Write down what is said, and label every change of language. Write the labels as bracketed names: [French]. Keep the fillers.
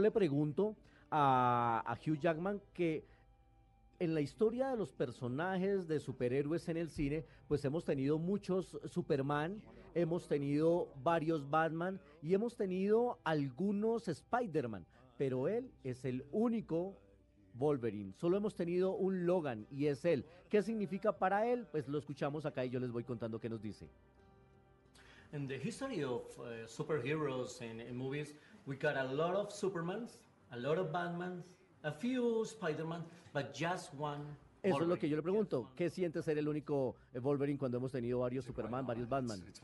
[Spanish] le pregunto a, a Hugh Jackman que en la historia de los personajes de superhéroes en el cine, pues hemos tenido muchos Superman, hemos tenido varios Batman y hemos tenido algunos Spider-Man, pero él es el único Wolverine. Solo hemos tenido un Logan y es él. ¿Qué significa para él? Pues lo escuchamos acá y yo les voy contando qué nos dice. [English] In the history of uh, superheroes and, and movies, we got a lot of Supermans, a lot of Batmans. Spider-Man, one. [Spanish] Eso es lo que yo le pregunto. ¿Qué siente ser el único Wolverine cuando hemos tenido varios Superman, varios Batman?